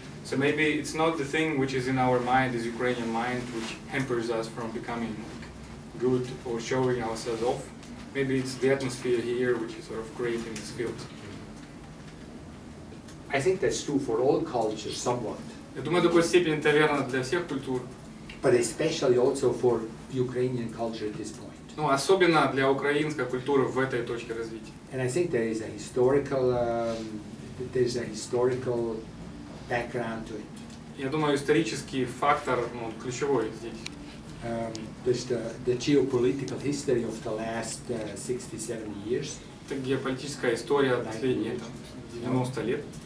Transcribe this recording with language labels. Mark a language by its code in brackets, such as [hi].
[en] So maybe it's not the thing which is in our mind, this Ukrainian mind, which hampers us from becoming like, good or showing ourselves off. Maybe it's the atmosphere here which is sort of creating this field. I think that's true for all cultures, somewhat. [ru] Я думаю, такой степени это верно для всех культур. [en] But especially also for Ukrainian culture at this point. [ru] Ну, особенно для украинской культуры в этой точке развития. [en] And I think there is a historical, background to it. [ru] Я думаю, исторический фактор, ну, ключевой здесь. [en] The geopolitical history of the last 60-70 years. [ru] Это геополитическая история последние 90 лет.